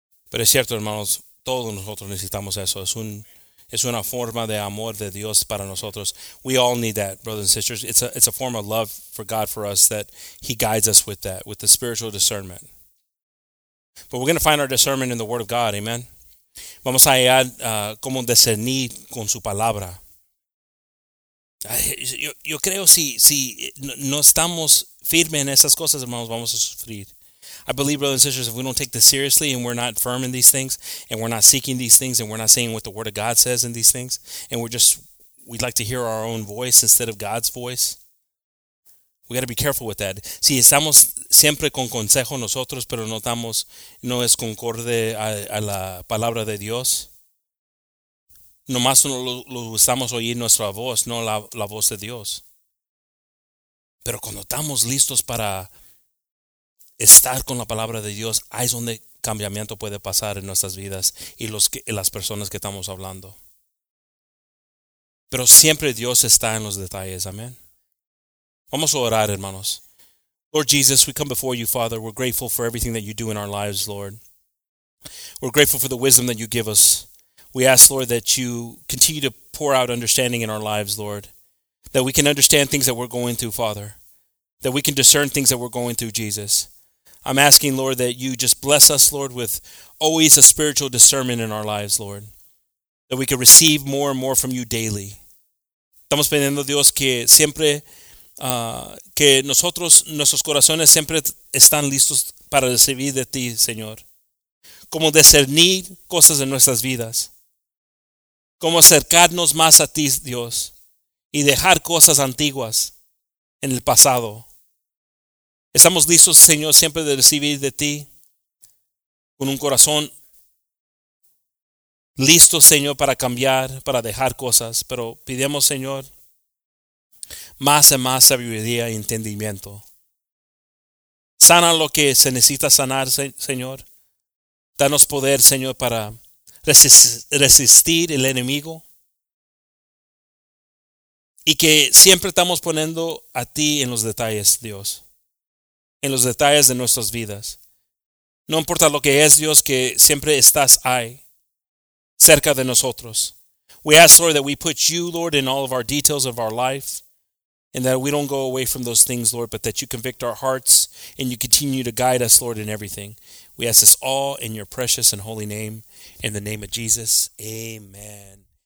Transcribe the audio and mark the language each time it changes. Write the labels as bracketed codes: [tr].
[es] Pero es cierto, hermanos, todos nosotros necesitamos eso. Es una forma de amor de Dios para nosotros. [en] We all need that, brothers and sisters. It's a form of love for God for us that He guides us with that, with the spiritual discernment. But we're going to find our discernment in the Word of God, amen? [es] Vamos a hallar cómo discernir con su palabra. Yo creo si no estamos firmes en esas cosas, hermanos, vamos a sufrir. [en] I believe, brothers and sisters, if we don't take this seriously and we're not firm in these things and we're not seeking these things and we're not saying what the Word of God says in these things and we'd like to hear our own voice instead of God's voice, we got to be careful with that. [es] Si estamos siempre con consejo nosotros, pero no es concorde a la palabra de Dios, nomás lo usamos oír nuestra voz, no la voz de Dios. Pero cuando estamos listos para estar con la palabra de Dios, ahí es donde cambiamiento puede pasar en nuestras vidas y las personas que estamos hablando. Pero siempre Dios está en los detalles, amén. Vamos a orar, hermanos. [en] Lord Jesus, we come before you, Father. We're grateful for everything that you do in our lives, Lord. We're grateful for the wisdom that you give us. We ask, Lord, that you continue to pour out understanding in our lives, Lord, that we can understand things that we're going through, Father, that we can discern things that we're going through, Jesus. I'm asking, Lord, that you just bless us, Lord, with always a spiritual discernment in our lives, Lord, that we can receive more and more from you daily. [es] Estamos pidiendo, Dios, que siempre, que nosotros, nuestros corazones siempre están listos para recibir de ti, Señor. Como discernir cosas en nuestras vidas. Cómo acercarnos más a ti, Dios, y dejar cosas antiguas en el pasado. Estamos listos, Señor, siempre de recibir de ti con un corazón listo, Señor, para cambiar, para dejar cosas. Pero pidemos, Señor, más y más sabiduría y entendimiento. Sana lo que se necesita sanar, Señor. Danos poder, Señor, para resistir el enemigo y que siempre estamos poniendo a ti en los detalles, Dios, en los detalles de nuestras vidas. No importa lo que es, Dios, que siempre estás ahí, cerca de nosotros. [en] We ask, Lord, that we put you, Lord, in all of our details of our life and that we don't go away from those things, Lord, but that you convict our hearts and you continue to guide us, Lord, in everything. We ask this all in your precious and holy name. In the name of Jesus, amen.